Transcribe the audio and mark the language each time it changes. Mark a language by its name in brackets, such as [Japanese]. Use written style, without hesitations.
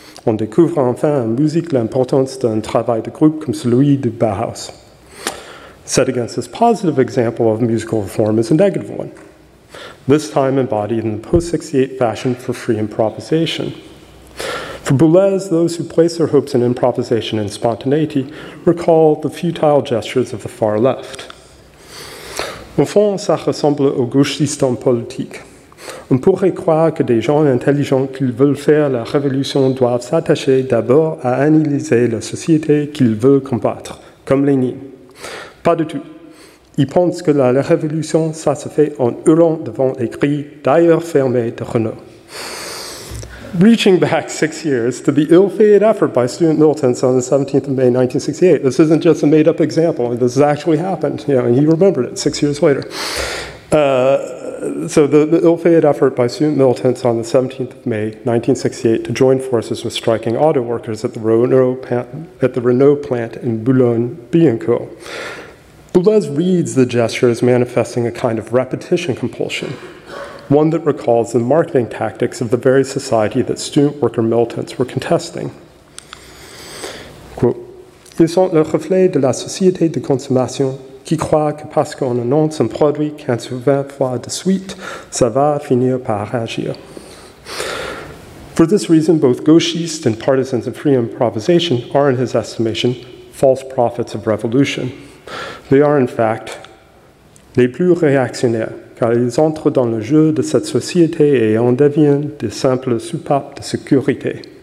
[French] On découvre enfin en musique l'importance d'un travail de groupe comme celui du Bauhaus. [English] Set against this positive example of musical reform is a negative one, this time embodied in the post-68 fashion for free improvisation. For Boulez, those who place their hopes in improvisation and spontaneity recall the futile gestures of the far left. [French] Au fond, ça ressemble au gauchiste en politique. On pourrait croire que des gens intelligents qui veulent faire la révolution doivent s'attacher d'abord à analyser la société qu'ils veulent combattre, comme Lénine. Pas du tout. Ils pensent que la révolution, ça se fait en hurlant devant les cris d'ailleurs fermés de Renault. [English] Reaching back 6 years to the ill-fated effort by student militants on the 17th of May, 1968, this isn't just a made-up example, this has actually happened, you know, and he remembered it 6 years later. So the ill-fated effort by student militants on the 17th of May, 1968, to join forces with striking auto workers at the Renault plant in Boulogne-Billancourt. Boulez reads the gesture as manifesting a kind of repetition compulsion, one that recalls the marketing tactics of the very society that student worker militants were contesting. Quote, [French] ils sont le reflet de la société de consommation qui croit que parce qu'on annonce un produit 15 ou 20 fois de suite, ça va finir par agir. [English] For this reason, both gauchistes and partisans of free improvisation are, in his estimation, false prophets of revolution. They are, in fact, [French] les plus réactionnaires, car ils entrent dans le jeu de cette société et en deviennent de simples soupapes de sécurité.